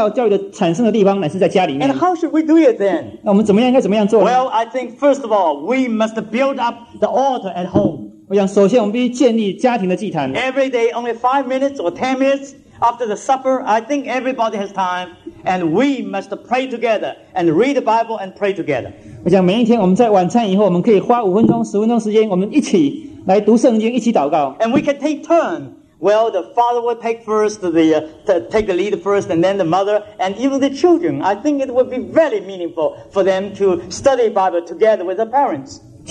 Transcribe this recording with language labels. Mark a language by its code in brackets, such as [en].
[zh] 我不是说教会生活或是主日学不重要,而是说让真正的宗教教育的产生的地方乃是在家里面。 [en] And how should we do it then? [zh] 那我们怎么样,应该怎么样做? [en] Well, I think first of all, we must build up the altar at home. [zh] 我想首先我们必须建立家庭的祭坛。 [en] Every day, only 5 minutes or 10 minutes after the supper, I think everybody has time, and we must pray together and read the Bible and pray together. [zh] 我想每一天我们在晚餐以后,我们可以花5分钟,10分钟时间,我们一起来读圣经,一起祷告。 [en] And we can take turn. Well, the father will take first, take the lead first, and then the mother, and even the children. I think it would be very meaningful for them to study Bible together with their parents.